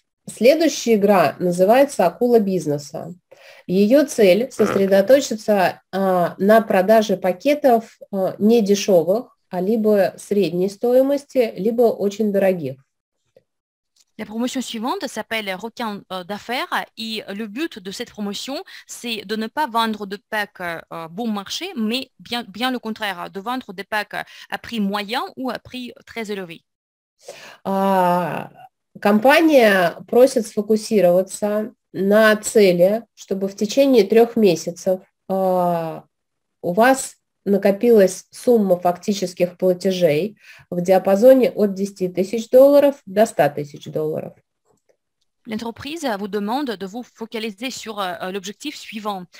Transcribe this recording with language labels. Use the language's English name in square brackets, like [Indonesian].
[Russian] Следующая игра называется «Акула бизнеса». Ее цель сосредоточиться на продаже пакетов не дешевых, а либо средней стоимости, либо очень дорогих. [French] La promotion suivante s'appelle «Requin d'affaires» et le but de cette promotion, c'est de ne pas vendre de packs bon marché, mais bien le contraire, de vendre des packs à prix moyen ou à prix très élevé. [Russian] Компания просит сфокусироваться на цели, чтобы в течение 3 месяцев у вас накопилась сумма фактических платежей в диапазоне от 10 тысяч долларов до 100 тысяч долларов. [French] L'entreprise vous demande de vous focaliser sur l'objectif suivant.